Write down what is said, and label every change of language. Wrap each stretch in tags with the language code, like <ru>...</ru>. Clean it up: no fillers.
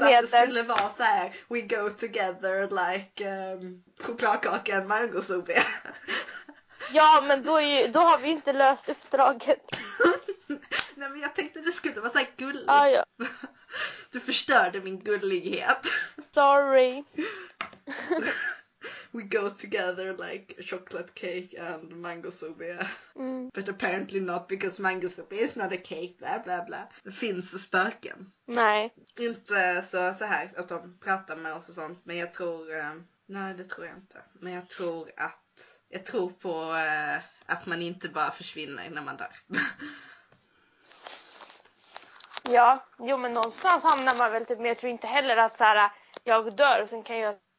<sv>Jag tänkte att det skulle vara så här,</sv> <en>we go together like chokladkaka and mango sobe.</en> <sv>Ja, men då har vi inte löst uppdraget. Nej, men jag tänkte att det skulle vara så här gullig. Ah, ja. Du förstörde min gullighet.</sv> <en>Sorry. We go together like chocolate cake and mango sobe. Mm. But apparently not, because mango sobe is not a cake, bla bla bla.</en> <sv>Det finns spöken. Nej. Inte så här att de pratar med oss och sånt, men jag tror, nej det tror jag inte. Men jag tror att, jag tror på att man inte bara försvinner när man dör. Ja, jo men någonstans hamnar man väl typ, men jag tror inte heller att så här, jag dör och sen kan jag...</sv>